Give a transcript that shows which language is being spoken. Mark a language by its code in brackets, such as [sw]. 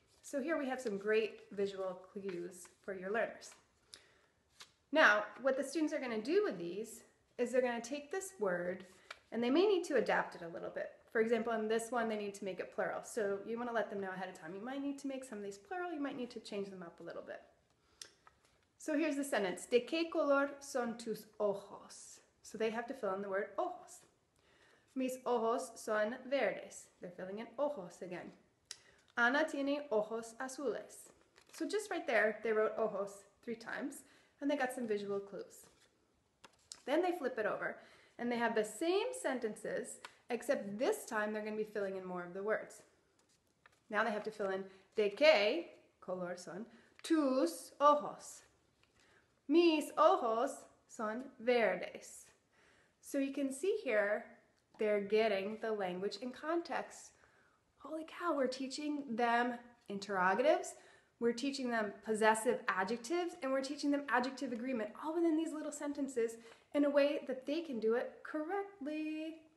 [en] So here we have some great visual clues for your learners. Now, what the students are gonna do with these is they're gonna take this word and they may need to adapt it a little bit. For example, in this one, they need to make it plural. So you wanna let them know ahead of time. You might need to make some of these plural, you might need to change them up a little bit. So here's the sentence, [es] ¿de qué color son tus ojos? [en] So they have to fill in the word ojos. [es] Mis ojos son verdes. [en] They're filling in ojos again. [es] Ana tiene ojos azules. [en] So just right there, they wrote ojos three times and they got some visual clues. Then they flip it over and they have the same sentences, except this time they're gonna be filling in more of the words. Now they have to fill in [es] ¿de qué color son tus ojos? Mis ojos son verdes. [en] So you can see here, they're getting the language in context. Holy cow, we're teaching them interrogatives, we're teaching them possessive adjectives, and we're teaching them adjective agreement all within these little sentences in a way that they can do it correctly.